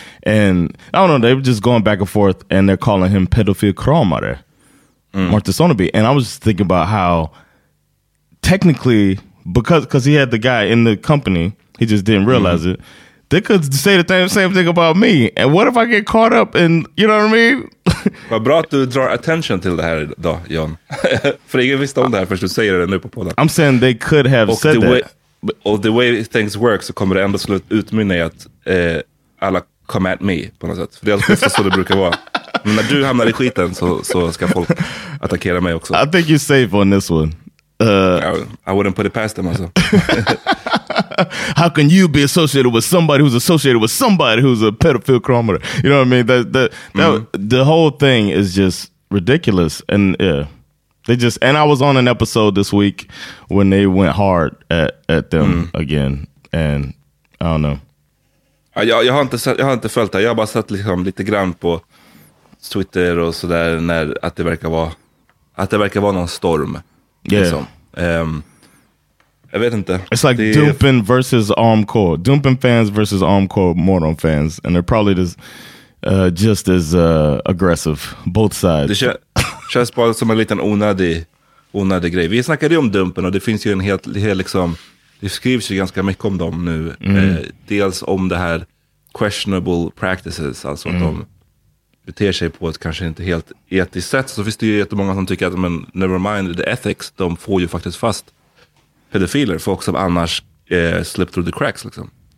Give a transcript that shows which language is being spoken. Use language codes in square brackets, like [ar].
[en] And I don't know, they were just going back and forth, and they're calling him pedophile kramare, Martha Sonneby. And I was just thinking about how technically, because he had the guy in the company, he just didn't realize it, they could say the same thing about me. And what if I get caught up in, you know what I mean? [sv] Vad bra att du drar attention till det här då, John. För ingen visste om det här först du säger det nu på podden. [en] I'm saying they could have och said that. [sv] Och [en] the way things work [sv] så kommer det ändå slut utmynna i att alla [en] come at me [sv] på något sätt. För det är alltid så det brukar vara. Men när du hamnar i skiten så ska folk attackera mig också. [en] I think you're safe on this one. I wouldn't put it past them, also. How can you be associated with somebody who's associated with somebody who's a pedophile kilometer? You know what I mean? The whole thing is just ridiculous. And yeah, they just, and I was on an episode this week when they went hard at them again. And I don't know. [sv] Jag har inte följt det. Jag har bara sett liksom lite grann på Twitter och så där när att det verkar vara någon storm. [en] Yeah. [sv] Jag vet inte. [en] It's like Dumpen versus Armcore. Dumpen fans versus Armcore Mordon fans, and they're probably just as aggressive, both sides. [sv] Det känns bara som en liten onödig grej. Vi snackade ju om Dumpen, och det finns ju en helt liksom, det skrivs ju ganska mycket om dem nu. Dels om det här [en] questionable practices, [sv] alltså att de beter sig på ett kanske inte helt etiskt sätt, så finns det ju jättemånga som tycker att, men [en] never mind the ethics, [sv] de får ju faktiskt fast pedofiler, folk som annars [en] slip through the cracks [sv] liksom.